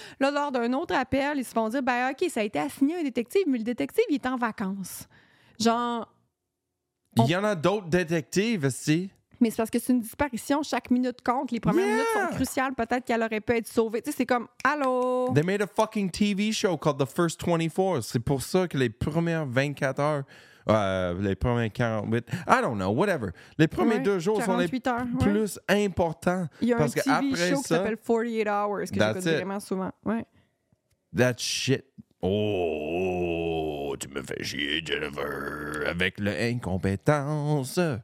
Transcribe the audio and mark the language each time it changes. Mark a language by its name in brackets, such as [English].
[French] Là, lors d'un autre appel, ils se font dire bah, OK, ça a été assigné à un détective, mais le détective, il est en vacances. Il y en a d'autres détectives aussi. Mais c'est parce que c'est une disparition. Chaque minute compte. Les premières minutes sont cruciales. Peut-être qu'elle aurait pu être sauvée. Tu sais, c'est comme, allô? [English] They made a fucking TV show called The First 24. [French] C'est pour ça que les premières 24 heures, les premières 48, [English] I don't know, whatever. [French] Les premiers deux jours sont les plus importants. Il y a un TV show qui s'appelle 48 Hours, que j'écoute vraiment souvent. Ouais. [English] That shit. [French] Oh, tu me fais chier, Jennifer, avec l'incompétence.